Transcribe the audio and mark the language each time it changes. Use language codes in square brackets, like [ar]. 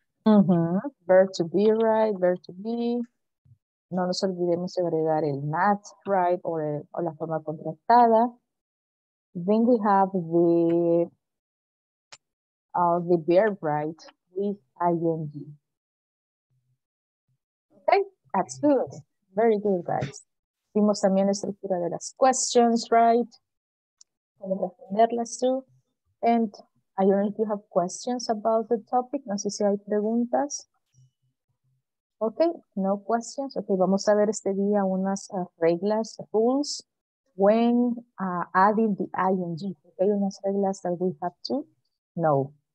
[en] Verb to be, right? Verb to be. [es] No nos olvidemos de agregar el [en] not, right? [es] O la forma contractada. [en] Then we have the verb, right, with ing. Okay, that's good. Very good, guys. [es] Vimos también la estructura de las questions, right? Cómo responderlas too. [en] And I don't know if you have questions about the topic. [es] No sé si hay preguntas. [en] Okay, no questions. [es] Okay, vamos a ver este día unas reglas, rules. [en] When adding the ing, okay, [es] unas reglas [en] that we have to know.